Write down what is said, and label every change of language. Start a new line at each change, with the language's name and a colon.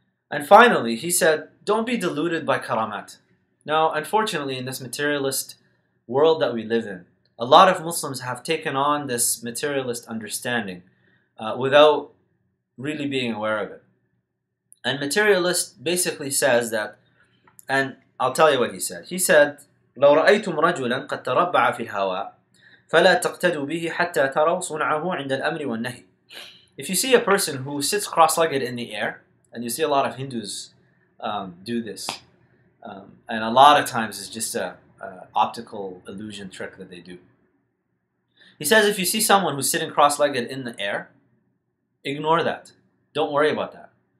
English: And finally, he said, don't be deluded by karamat. Now, unfortunately, in this materialist world that we live in, a lot of Muslims have taken on this materialist understanding without really being aware of it. And materialist basically says that, and I'll tell you what he said. He said,
Arabic: لو رأيتم رجلا قد تربع في الهواء فلا تقتدوا به حتى تروا صنعه عند الأمر والنهي.
English: If you see a person who sits cross-legged in the air, and you see a lot of Hindus do this, and a lot of times it's just an optical illusion trick that they do. He says, if you see someone who's sitting cross-legged in the air, ignore that. Don't worry about that.